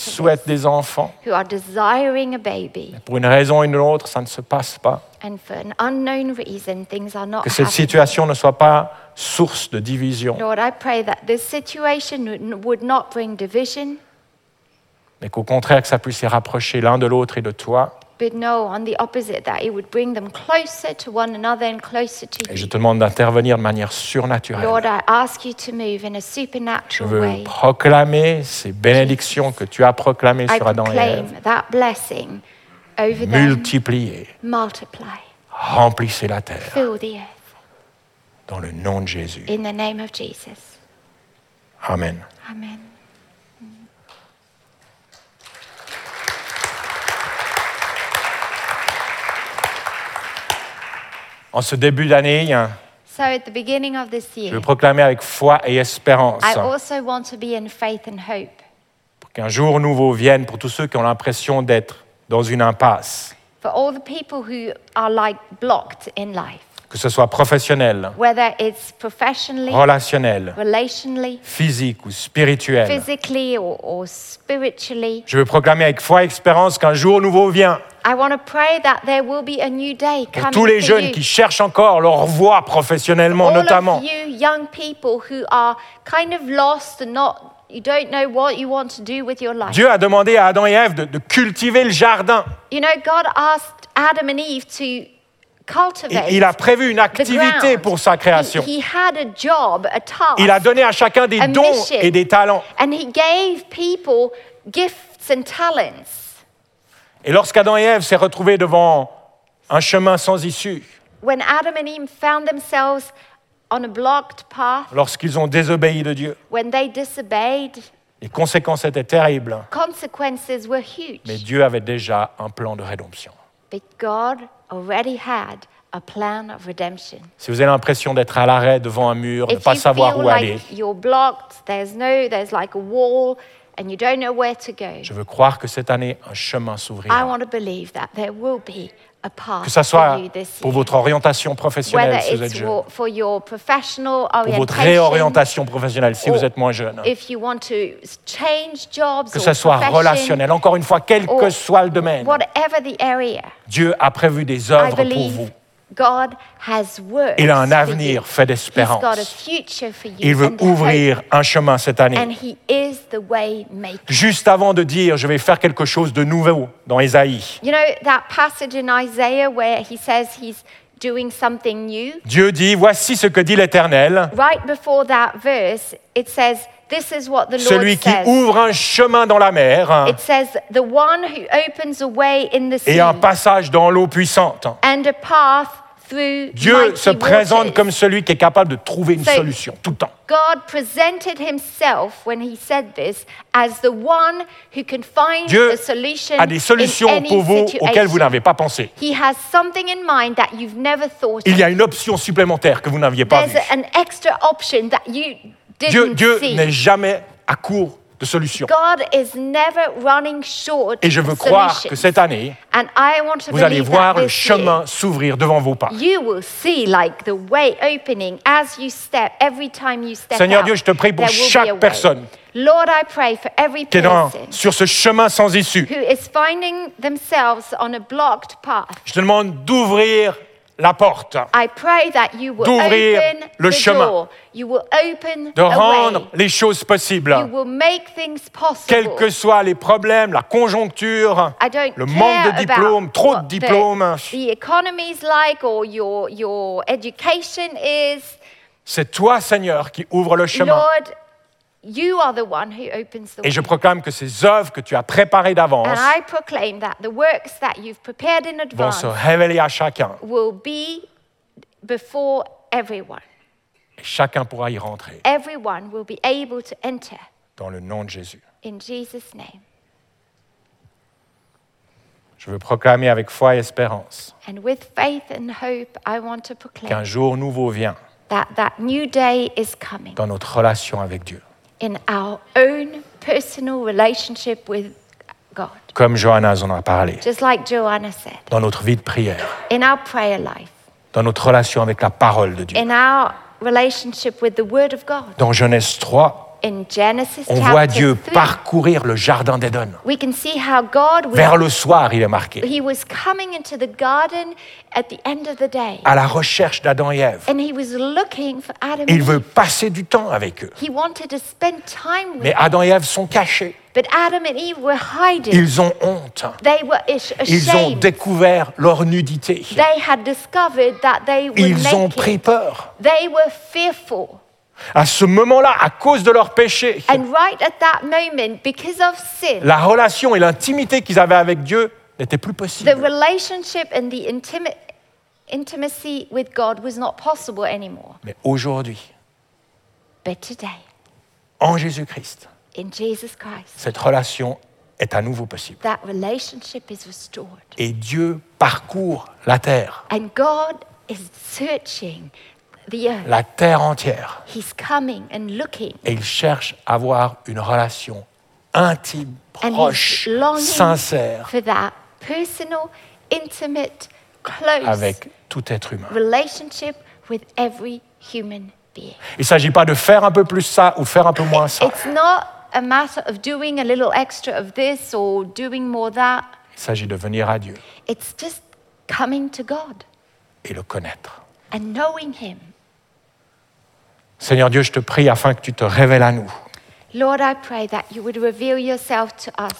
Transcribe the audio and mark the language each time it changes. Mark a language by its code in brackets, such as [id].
[fr] souhaitent [en] this, [fr] des enfants. [en] Who are desiring a baby. [fr] Mais pour une raison ou une autre, ça ne se passe pas. [en] And for an unknown reason, things are not happening. [fr] Que cette situation ne soit pas source de division. [en] Lord, I pray that this situation would not bring division. [fr] Mais qu'au contraire, que ça puisse les rapprocher l'un de l'autre et de toi. [en] But no, on the opposite, that it would bring them closer to one another and closer to you. [fr] Et je te demande d'intervenir de manière surnaturelle. [en] Lord, I ask you to move in a supernatural way. [fr] Je veux [en] way. [fr] Proclamer ces bénédictions que tu as proclamées [en] I [fr] sur Adam et Ève. [en] I proclaim that blessing over them. [fr] Multiplier. [en] Multiply. [fr] Remplissez la terre. [en] Fill the earth. [fr] Dans le nom de Jésus. [en] In the name of Jesus. [fr] Amen. [en] Amen. [fr] En ce début d'année, [en] so at the beginning of this year, [fr] je veux proclamer avec foi et espérance. [en] I also want to be in faith and hope. [fr] Pour qu'un jour nouveau vienne pour tous ceux qui ont l'impression d'être dans une impasse. [en] For all the people who are like blocked in life. [fr] Que ce soit professionnel, [en] whether it's professionally, [fr] relationnel, [en] relationally, [fr] physique ou spirituel. [en] Physically or spiritually. [fr] Je veux proclamer avec foi et espérance qu'un jour nouveau vient. [en] I want to pray that there will be a new day coming. [fr] Pour tous les jeunes qui cherchent encore leur voie professionnellement, notamment. [en] All of you young people who are kind of lost and not, you don't know what you want to do with your life. [fr] Dieu a demandé à Adam et Ève de cultiver le jardin. [en] You know, God asked Adam and Eve to cultivate. [fr] Et il a prévu une activité pour sa création. [en] He had a job, a task. [fr] Il a donné à chacun des dons et des talents. [en] And he gave people gifts and talents. [fr] Et lorsqu'Adam et Ève s'est retrouvés devant un chemin sans issue, [en] when Adam and Eve found themselves on a blocked path, [fr] lorsqu'ils ont désobéi de Dieu, [en] when they disobeyed, [fr] les conséquences étaient terribles. [en] Consequences were huge. [fr] Mais Dieu avait déjà un plan de rédemption. [en] But God already had a plan of redemption. [fr] Si vous avez l'impression d'être à l'arrêt devant un mur, [en] if [fr] ne pas savoir où [en] like [fr] aller, [en] you're blocked, there's like a wall, and you don't know where to go. [fr] Je veux croire que cette année un chemin s'ouvrira. [en] I want to believe that there will be a path [fr] que ça soit [en] for you this [fr] pour votre orientation professionnelle [en] whether [fr] si vous êtes jeune. [en] Whether it's for your professional orientation. [fr] Pour votre réorientation professionnelle si vous êtes moins jeune. [en] If you want to change jobs [fr] que ça soit relationnel, encore une fois, quel que soit le domaine. [en] Whatever the area. [fr] Dieu a prévu des œuvres pour vous. [en] God has works. [fr] Il a un avenir fait d'espérance. [en] He's got a future for you. [fr] Il veut ouvrir un chemin cette année. [en] And he is the way maker. [fr] Juste avant de dire je vais faire quelque chose de nouveau dans Ésaïe. [en] You know that passage in Isaiah where he says he's doing something new? [fr] Dieu dit voici ce que dit l'Éternel. [en] Right before that verse it says this is what the Lord [fr] celui qui [en] says. [fr] Ouvre un chemin dans la mer [en] it says, the one who opens a way in the sea, [fr] et un passage dans l'eau puissante. [en] And a path through [fr] Dieu [en] mighty [fr] se présente [en] waters. [fr] Comme celui qui est capable de trouver une [en] so, [fr] solution tout le temps. [en] God presented himself when he said this as the one who can find [fr] Dieu [en] a solution [fr] a des solutions [en] in any [fr] pour vous [en] situation. [fr] Auxquelles vous n'avez pas pensé. [en] He has something in mind that you've never thought [fr] il [en] of. [fr] Y a une option supplémentaire que vous n'aviez pas [en] there's [fr] vue. [en] An extra option that you [fr] Dieu n'est jamais à court de solutions. [en] God is never running short [fr] et je veux croire que cette année, vous allez voir le chemin s'ouvrir devant vos pas. [en] You will see like the way opening as you step every time you step. [fr] Seigneur [en] out, [fr] Dieu, je te prie pour chaque personne. [en] Lord, I pray for every person [fr] dans, sur ce chemin sans issue. [en] Who is finding themselves on a blocked path. [fr] Je te demande d'ouvrir la porte, [en] I pray that you will [fr] d'ouvrir [en] open [fr] le chemin, [en] you will open [fr] de rendre [en] way. [fr] Les choses possibles, [en] you will make things possible. [fr] Quels que soient les problèmes, la conjoncture, [en] I don't [fr] le manque [en] care [fr] de diplômes, trop [en] what [fr] de diplômes. [en] The economy is like or your education is. [fr] C'est toi, Seigneur, qui ouvre le chemin. [en] Lord, you are the one who opens the [fr] et je proclame que ces œuvres que tu as préparées d'avance [en] and I proclaim that the works that you've prepared in advance [fr] vont se révéler à chacun [en] will be before everyone. [fr] Et chacun pourra y rentrer. [en] Everyone will be able to enter [fr] dans le nom de Jésus. [en] In Jesus' name. [fr] Je veux proclamer avec foi et espérance [en] and with faith and hope, I want to proclaim [fr] qu'un jour nouveau vient [en] that new day is coming [fr] dans notre relation avec Dieu. [en] In our own personal relationship with God. [fr] Comme Johanna en a parlé. [en] Just like Johanna said. [fr] Dans notre vie de prière. [en] In our prayer life. [fr] Dans notre relation avec la parole de Dieu. [en] In our relationship with the word of God. [fr] Dans Genèse 3. [en] In Genesis chapter 3. [fr] On voit Dieu parcourir le jardin d'Éden. [en] We can see how God was. [fr] Vers le soir, il est marqué. [en] He was coming into the garden at the end of the day. [fr] À la recherche d'Adam et Ève. [en] And he was looking for Adam [fr] et Eve. Il veut passer du temps avec eux. [en] He wanted to spend time with [fr] mais Adam et Ève sont cachés. [en] But Adam and Eve were hiding. [fr] Ils ont honte. [en] They were ashamed. [fr] Ils ont découvert leur nudité. [en] They had discovered that they were naked. [fr] Ils ont pris peur. [en] They were fearful. [fr] À ce moment-là, à cause de leur péché, [en] and right at that moment, because of sin, [fr] la relation et l'intimité qu'ils avaient avec Dieu n'étaient plus possibles. [en] The relationship and the intimacy with God was not possible anymore. [fr] Mais aujourd'hui, [en] but today, [fr] en Jésus-Christ, [en] in Jesus Christ, [fr] cette relation est à nouveau possible. [en] That relationship is restored. [fr] Et Dieu parcourt la terre. [en] And God is searching. The earth. [fr] La terre entière. [en] He's coming and looking. [fr] Et il cherche à avoir une relation intime, proche, sincère [en] for that personal, intimate, close [fr] avec tout être humain. [en] Relationship with every human being. [fr] Il ne s'agit pas de faire un peu plus ça ou faire un peu moins ça. [en] It's not a matter of doing a little extra of this or doing more that. [fr] Il s'agit de venir à Dieu. [en] It's just coming to God. [fr] Et le connaître. [en] And knowing him. [fr] Seigneur Dieu, je te prie afin que tu te révèles à nous. [en] Lord, I pray that you would reveal yourself to us.